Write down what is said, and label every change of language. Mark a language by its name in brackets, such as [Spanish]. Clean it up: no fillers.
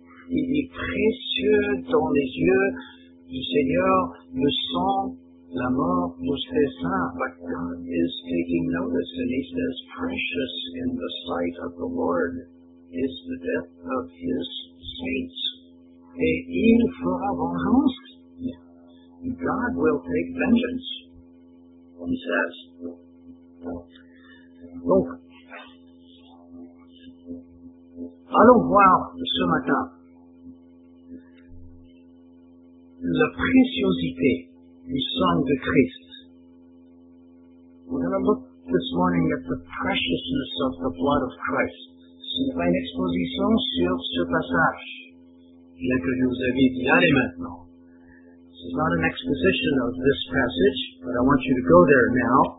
[French] Il est précieux dans les yeux du Seigneur, le sang, la mort, de ses saints. [English] But God is taking notice, and he says, precious in the sight of the Lord is the death of his saints. [French] Et il fera vengeance. [English] God will take vengeance, he says. [French] Donc, allons voir ce matin la préciosité du sang de Christ. [English] We're going to look this morning at the preciousness of the blood of Christ. [French] Ce n'est pas une exposition sur ce passage, bien que je vous invite d'y aller maintenant. [English] This is not an exposition of this passage, but I want you to go there now.